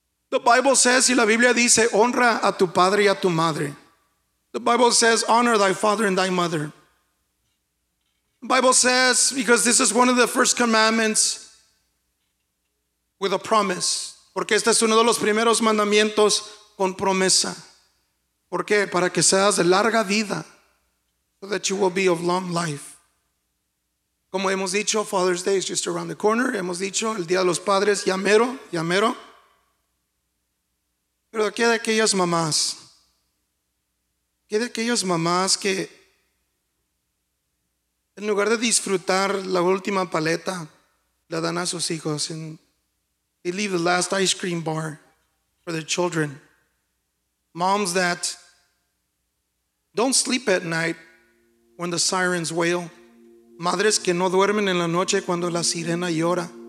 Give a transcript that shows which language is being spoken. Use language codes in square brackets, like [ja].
[en] The Bible says, [es] y la Biblia dice, honra a tu padre y a tu madre. [en] The Bible says, honor thy father and thy mother. The Bible says, because this is one of the first commandments with a promise. [es] Porque este es uno de los primeros mandamientos con promesa. ¿Por qué? Para que seas de larga vida. [en] So that you will be of long life. [es] Como hemos dicho, [en] Father's Day is just around the corner. [es] Hemos dicho, el Día de los Padres, ya mero. Pero ¿qué de aquellas mamás? ¿Qué de aquellas mamás que en lugar de disfrutar la última paleta, la dan a sus hijos? [en] And they leave the last ice cream bar for their children. Moms that don't sleep at night when the sirens wail. [es] Madres que no duermen en la noche cuando la sirena llora.